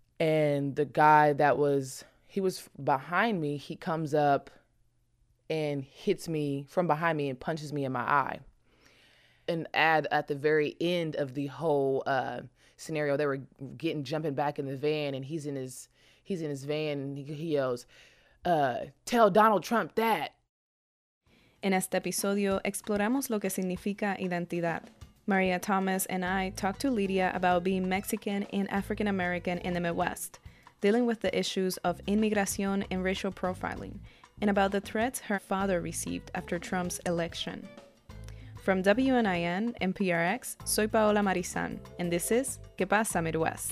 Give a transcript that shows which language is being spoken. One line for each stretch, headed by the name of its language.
English: And the guy that was, he was behind me, he comes up and hits me from behind me and punches me in my eye. And at the very end of the whole scenario, they were jumping back in the van, and he's in his van, and he yells, tell Donald Trump that.
Spanish: En este episodio, exploramos lo que significa identidad.
English: Maria Thomas and I talked to Lydia about being Mexican and African American in the Midwest, dealing with the issues of inmigración and racial profiling, and about the threats her father received after Trump's election. From WNIN NPRX,
Spanish: soy
English: Paola Marisan, and this is ¿Qué pasa Midwest?